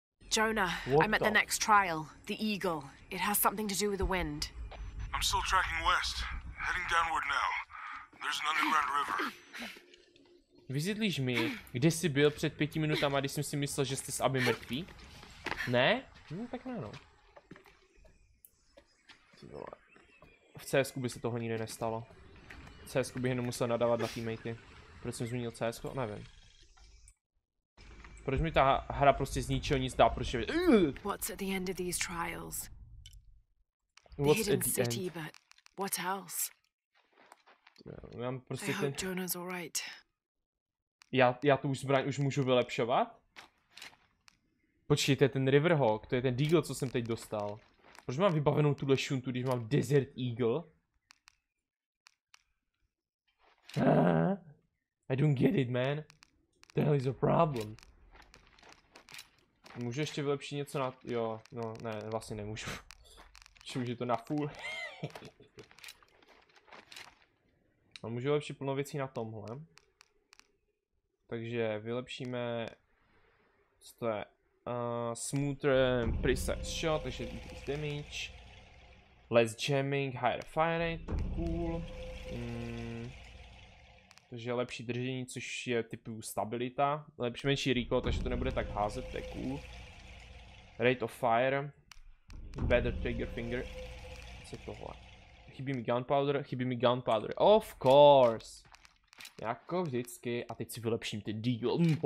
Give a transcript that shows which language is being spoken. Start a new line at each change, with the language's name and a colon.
English: Jonah, what I'm at the next trial. The Eagle. It has something to do with the wind. I'm still tracking west. Heading downward now. There's an underground river.
Czech: Vysvětlíš mi, kde jsi byl před 5 minutami, když jsem si myslel, že jste s Abby mrtvý? Ne? No, tak ne, no. V CS-ku by se toho nikdy nestalo. V CS-ku bych jenom musel nadávat na teammatey. Proč jsem zmínil CS-ko? Nevím. Proč mi ta hra prostě z ničeho nic dá, proč je...
English: What's at the end of these trials? What's the hidden city, but what else?
Czech: Já mám prostě ten...
English: Jonah's all right.
Czech: Já tu zbraň už můžu vylepšovat? Počkej, to je ten Riverhawk, to je ten Deagle, co jsem teď dostal. Proč mám vybavenou tuhle šuntu, když mám Desert Eagle?
English: I don't get it, man. The hell is a problem.
Czech: Můžu ještě vylepšit něco na... Jo, no ne, vlastně nemůžu. Čím, že to na full. A můžu vylepšit plno věcí na tomhle. Takže vylepšíme... Co to je?
English: Smoother preset shot,
Czech: takže
English: increase damage. Less jamming, higher fire rate, cool.
Czech: Takže lepší držení, což je typu stabilita. Lepší menší recoil, takže to nebude tak házet, to je cool.
English: Rate of fire, better trigger finger,
Czech: co je tohle? Chybí mi gunpowder,
English: of course!
Czech: Jako vždycky, a teď si vylepším ty deal.